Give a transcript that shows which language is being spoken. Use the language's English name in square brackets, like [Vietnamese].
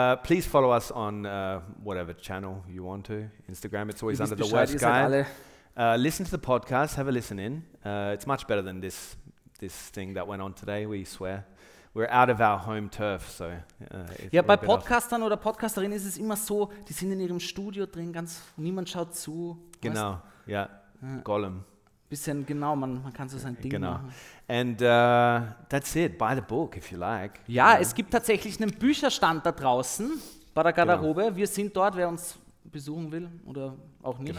[English] Please follow us on whatever channel you want to. Instagram, it's always under [German] Bescheid, [English] the worst guy. [German] Alle. [English] Listen to the podcast, have a listen in. It's much better than this thing that went on today, we swear. We're out of our home turf, so. [German] Ja, bei Podcastern oder Podcasterinnen ist es immer so, die sind in ihrem Studio drin, ganz niemand schaut zu. Genau, ja. Gollum. Bisschen genau, man kann so sein Ding machen. [English] And that's it. Buy the book if you like. [German] Ja, es gibt tatsächlich einen Bücherstand da draußen. Bei der Garderobe. Genau. Wir sind dort, wer uns besuchen will oder auch nicht.